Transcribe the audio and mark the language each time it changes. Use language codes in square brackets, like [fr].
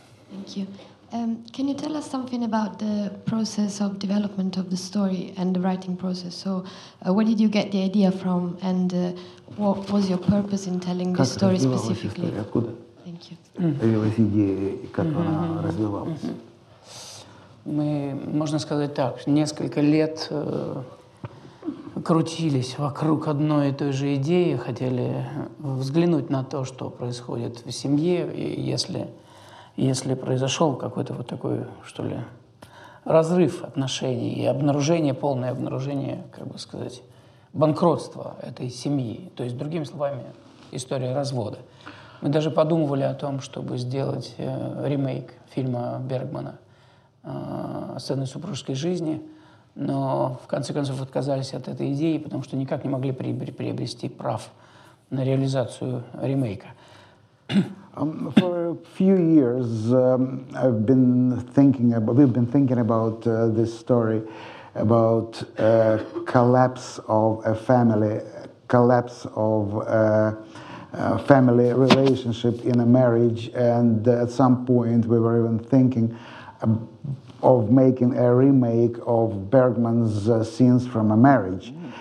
[en] Thank you. Can you tell us something about the process of development of the story and the writing process? So where did you get the idea from, and what was your purpose in telling the story specifically? Thank you. [ru] Мы, можно сказать так, несколько лет крутились вокруг одной и той же идеи, хотели взглянуть на то, что происходит в семье, и если произошел какой-то вот такой, что ли, разрыв отношений и обнаружение, полное обнаружение, как бы сказать, банкротства этой семьи. То есть, другими словами, история развода. Мы даже подумывали о том, чтобы сделать ремейк фильма Бергмана «Сцены супружеской жизни», но в конце концов отказались от этой идеи, потому что никак не могли приобрести прав на реализацию ремейка. [en] For a few years, we've been thinking about this story, about collapse of a family, collapse of family relationship in a marriage, and at some point we were even thinking of making a remake of Bergman's Scenes from a Marriage.